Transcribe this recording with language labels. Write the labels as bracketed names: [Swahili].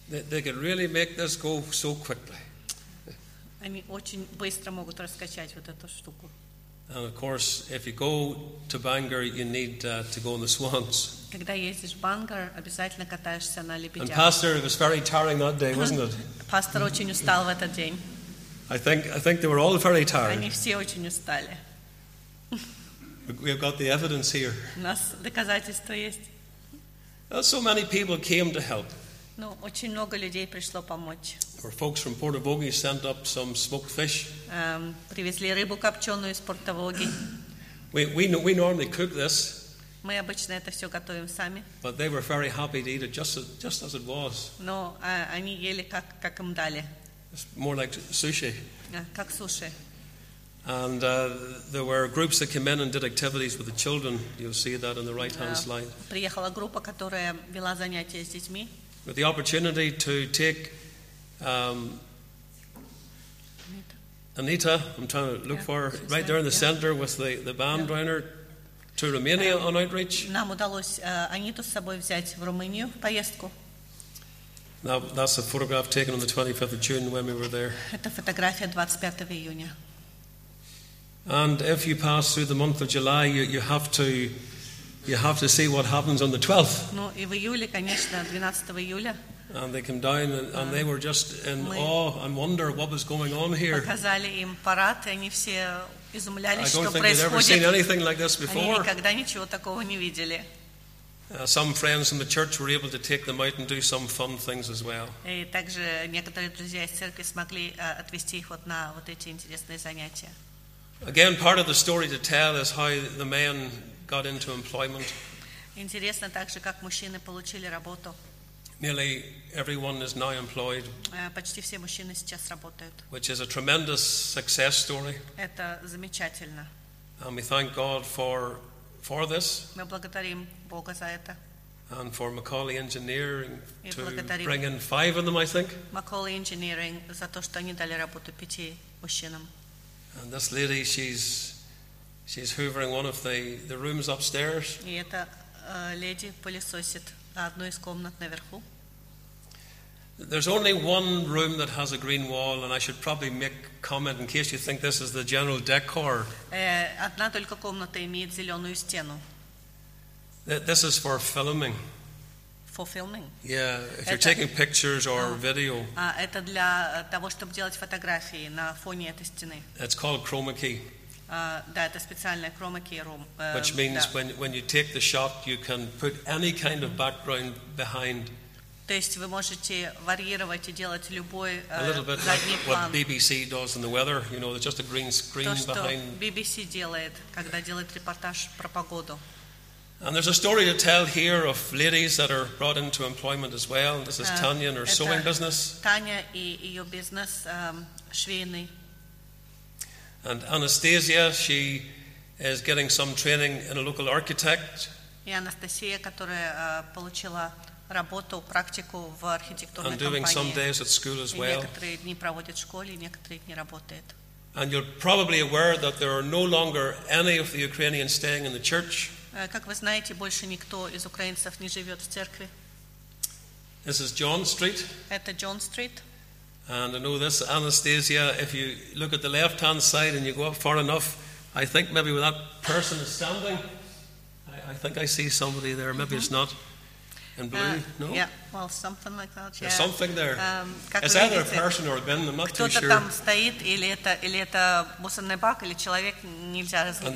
[English] They can really make this go so quickly. [Russian] Они очень быстро могут раскачать вот эту штуку. [English] And of course, if you go to Bangor, you need to go on the swans. [Russian] Когда ездишь в Бангар, обязательно катаешься на лебедях. [English] And Pastor, it was very tiring that day, wasn't it? [Russian] Пастор очень устал в этот день. [English] I think they were all very tired. [Russian] Они все очень устали. [English] We've got the evidence here. [Russian] У нас доказательства есть. [English] Well, so many people came to help. [Russian] Ну, очень много людей пришло помочь. [English] Where folks from Portavogie sent up some smoked fish. [Russian] Привезли рыбу копченую из Портавоги. [English] We normally cook this. [Russian] Мы обычно это все готовим сами. [English] But they were very happy to eat it just as it was. [Russian] Но они ели как им дали. [English] It's more like sushi. [Russian] Как суши. [English] And there were groups that came in and did activities with the children. You'll see that on the right-hand slide. [Russian] Приехала группа, которая вела занятия с детьми. [English] With the opportunity to take Anita, I'm trying to look for her, right there in the center with the band runner, to Romania on outreach. [Russian] Нам удалось Аниту с собой взять в Румынию в поездку. [English] Now, that's a photograph taken on the 25th of June when we were there. [Russian] Это фотография 25 июня. [English] And if you pass through the month of July, you have to see what happens on the 12th. [Russian] Ну и в июле, конечно, 12 июля. [English] And they came down, and they were just in awe and wonder what was going on here. [Russian] Показали им парад, и они все изумлялись, что происходит. [English] I don't think they'd ever seen anything like this before. [Russian] Они никогда ничего такого не видели. [English] Some friends in the church were able to take them out and do some fun things as well. [Russian] И также некоторые друзья из церкви смогли отвезти их вот на вот эти интересные занятия. [English] Again, part of the story to tell is how the men got into employment. [Russian] Интересно также, как мужчины получили работу. [English] Nearly everyone is now employed. [Russian] Почти все мужчины сейчас работают. [English] Which is a tremendous success story. [Russian] Это замечательно. [English] And we thank God for this. [Russian] Мы благодарим Бога за это. [English] And for Macaulay Engineering to bring in 5 of them, I think. [Russian] Macaulay Engineering за то, что они дали работу 5 мужчинам. [English] And this lady, she's hoovering one of the rooms upstairs. [Russian] И эта леди пылесосит одну из комнат наверху. [English] There's only one room that has a green wall, and I should probably make comment in case you think this is the general decor. [Russian] Одна только комната имеет зеленую стену. [English] This is for filming. For filming. Yeah, if you're taking pictures or video. [Russian] Это для того, чтобы делать фотографии на фоне этой стены. [English] It's called chroma key. [Russian] Да, это специальная chroma key room. [English] Which means when you take the shot, you can put any kind of background behind. [Russian] То есть вы можете варьировать и делать любой задний план. [English] A little bit like what BBC does in the weather, you know, just a green screen behind. [Russian] То, что BBC делает, когда делает репортаж про погоду. [English] And there's a story to tell here of ladies that are brought into employment as well. This is Tanya and her sewing business. [Russian] Tanya и ее бизнес швейный. [English] And Anastasia, she is getting some training in a local architect. [Russian] И Анастасия, которая получила работу, практику в архитектурной компании. [English] And doing some days at school as well. [Russian] И некоторые дни проводит в школе, и некоторые дни работает. [English] And you're probably aware that there are no longer any of the Ukrainians staying in the church. [Russian] Как вы знаете, больше никто из украинцев не живет в церкви. [English] This is John Street. [Russian] Это John Street. [English] And I know this Anastasia, if you look at the left-hand side and you go up far enough, I think maybe when that person is standing, I think I see somebody there, maybe mm-hmm. It's not. In blue, no? Yeah, well, something like that, yeah. There's something there. It's either [Russian] видите, [English] a person or a bin, I'm not too sure. [Russian] Кто-то там стоит, или это мусорный бак, или человек, нельзя различить.